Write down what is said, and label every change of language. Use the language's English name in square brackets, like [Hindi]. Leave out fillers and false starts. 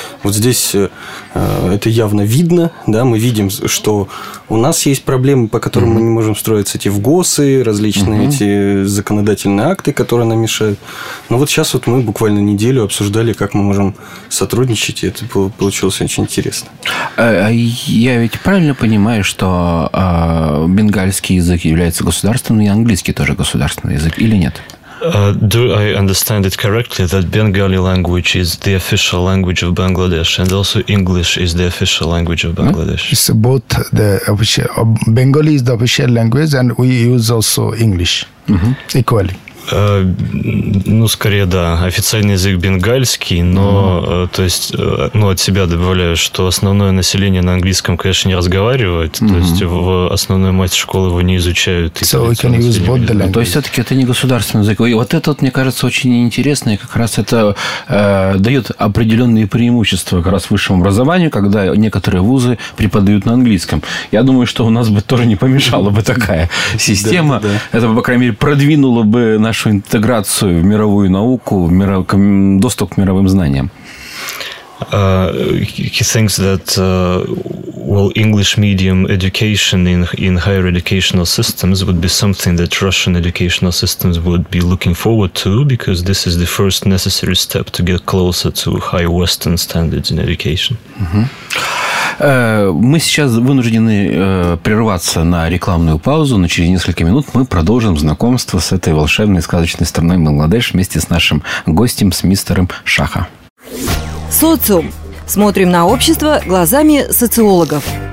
[Russian] Вот здесь это явно видно, да, мы видим, что у нас есть проблемы, по которым мы не можем встроиться, эти ВГОСы, различные эти законодательные акты, которые нам мешают. Но вот сейчас вот мы буквально неделю обсуждали, как мы можем сотрудничать, и это получилось очень интересно. Я ведь правильно понимаю, что бенгальский язык является государственным, и английский тоже государственный язык, или нет? [English] Do I understand it correctly that Bengali language is the official language of Bangladesh, and also English is the official language of Bangladesh? It's both the official. Bengali is the official language, and we use also English equally. [Russian] Ну, скорее, да. Официальный язык бенгальский, но то есть, ну, от себя добавляю, что основное население на английском, конечно, не разговаривает. То есть, в основной мать школы его не изучают. То есть, все-таки это не государственный язык. И вот это, мне кажется, очень интересно. И как раз это дает определенные преимущества как раз высшему образованию, когда некоторые вузы преподают на английском. Я думаю, что у нас бы тоже не помешала бы такая система. Это, по крайней мере, продвинуло бы нашу интеграцию в мировую науку, в доступ к мировым знаниям. [English] He thinks that well, English medium education in higher educational systems would be something that Russian educational systems would be looking forward to, because this is the first necessary step to get closer to high Western standards in education. [Russian] Мы сейчас вынуждены прерваться на рекламную паузу, но через несколько минут мы продолжим знакомство с этой волшебной сказочной страной Бангладеш вместе с нашим гостем, с мистером Шаха. Социум. Смотрим на общество глазами социологов.